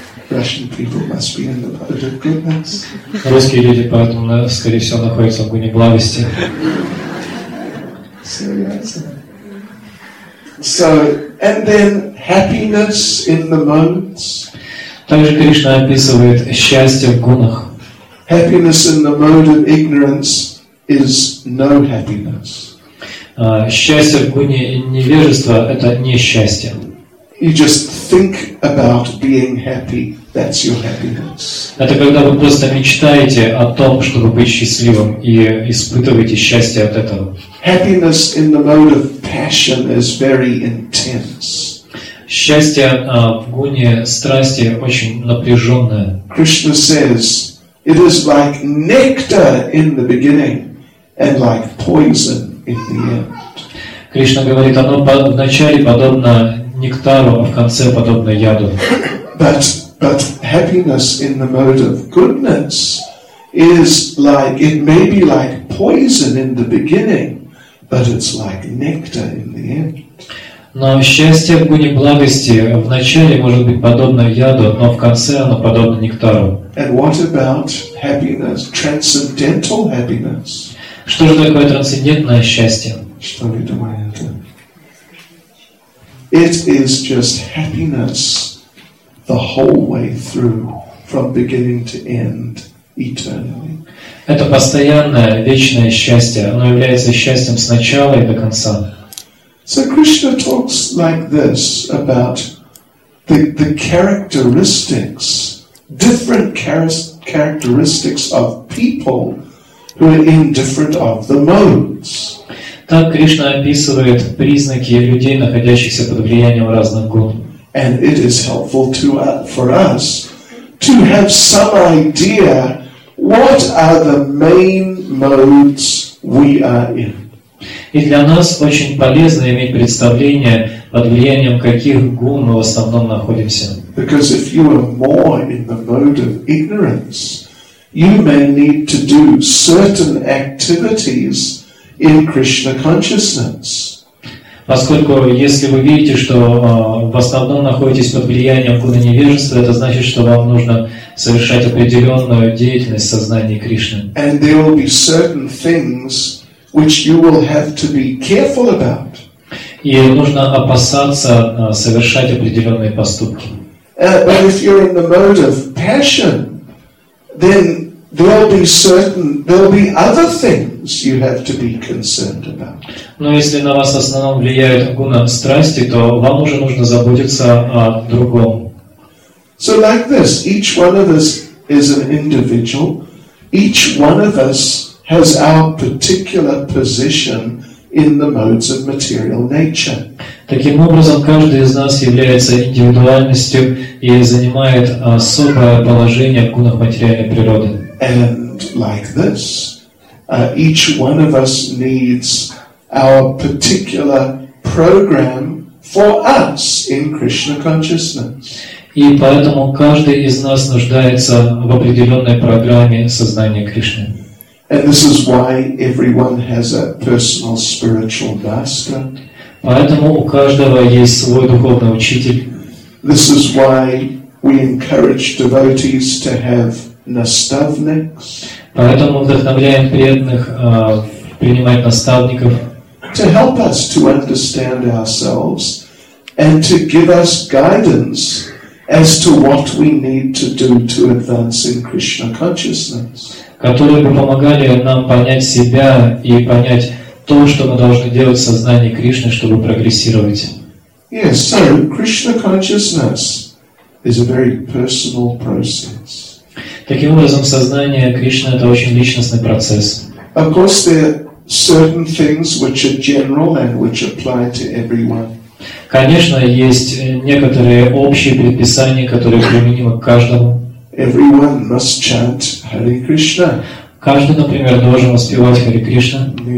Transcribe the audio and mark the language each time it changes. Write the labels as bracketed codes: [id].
[en] Russian people must be in the mode of goodness. [ru] Русские люди поэтому, скорее всего, находятся в гуне благости. [en] So, and then happiness in the modes. [ru] Также Кришна описывает счастье в гунах. [en] Happiness in the mode of ignorance is no happiness. [ru] Счастье в гуне невежества — это несчастье. [en] You just think about being happy. That's your happiness. [ru] Это когда вы просто мечтаете о том, чтобы быть счастливым, и испытываете счастье от этого. [en] Happiness in the mode of passion is very intense. [ru] Счастье в гуне страсти очень напряженное. [en] Krishna says, it is like nectar in the beginning and like poison in the end. [ru] Кришна говорит, оно вначале подобно нектару, а в конце подобно яду. [en] But happiness in the mode of goodness is like, it may be like poison in the beginning, but it's like nectar in the end. [ru] Но счастье в гуне благости вначале может быть подобно яду, но в конце оно подобно нектару. [en] And what about happiness, transcendental happiness? [ru] Что же такое трансцендентное счастье? Что вы думаете? [en] It is just happiness the whole way through, from beginning to end, eternally. [ru] Это постоянное, вечное счастье. Оно является счастьем с начала и до конца. [en] So Krishna talks like this about the characteristics, different characteristics of people who are in different of the modes. [ru] Так Кришна описывает признаки людей, находящихся под влиянием разных гун. [en] And it is helpful to for us to have some idea what are the main modes we are in. [ru] И для нас очень полезно иметь представление, под влиянием каких гун мы в основном находимся. [en] Because if you are more in the mode of ignorance, you may need to do certain activities in Krishna consciousness. [ru] Поскольку если вы видите, что в основном находитесь под влиянием гуны невежества, это значит, что вам нужно совершать определенную деятельность в сознании Кришны. [en] And there will be certain things which you will have to be careful about. [ru] И нужно опасаться совершать определенные поступки. [en] But if you're in the mode of passion, then there'll be other things you have to be concerned about. [ru] Но если на вас в основном влияет гуна страсти, то вам уже нужно заботиться о другом. [en] So like this, each one of us is an individual. Each one of us has our particular position in the modes of material nature. [ru] Таким образом, каждый из нас является индивидуальностью и занимает особое положение в гунах материальной природы. [en] And like this, each one of us needs our particular program for us in Krishna consciousness. [ru] И поэтому каждый из нас нуждается в определенной программе сознания Кришны. [en] And this is why everyone has a personal spiritual master. [ru] Поэтому у каждого есть свой духовный учитель. [en] This is why we encourage devotees to have [ru] наставниц. Поэтому вдохновляем преданных принимать наставников. [en] To help us to understand ourselves and to give us guidance as to what we need to do to advance in Krishna consciousness. [ru] Которые бы помогали нам понять себя и понять то, что мы должны делать в сознании Кришны, чтобы прогрессировать. [en] Yes, so Krishna consciousness is a very personal process. [ru] Таким образом, сознание Кришны — это очень личностный процесс. [en] Of course, there are certain things which are general and which apply to everyone. [ru] Конечно, есть некоторые общие предписания, которые применимы к каждому. [en] Everyone must chant Hare Krishna. [ru] Каждый, например, должен воспевать Hare Krishna.